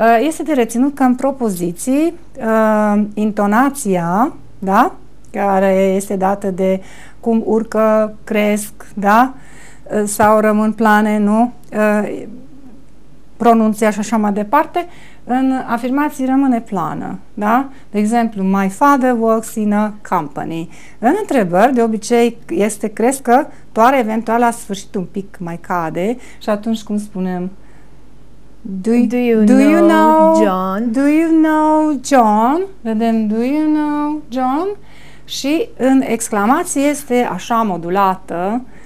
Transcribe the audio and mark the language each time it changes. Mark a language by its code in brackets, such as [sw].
[ro] Este de reținut că în propoziții intonația, da? Care este dată de cum urcă, cresc, da? Sau rămân plane, nu? Pronunția și așa mai departe, în afirmații rămâne plană, da? De exemplu, [en] my father works in a company. [ro] În întrebări, de obicei, este crescătoare, eventual la sfârșit un pic mai cade și atunci cum spunem? [en] Do you know John? Do you know John? [ro] Vedem, [en] do you know John? [ro] Și în exclamație este așa modulată.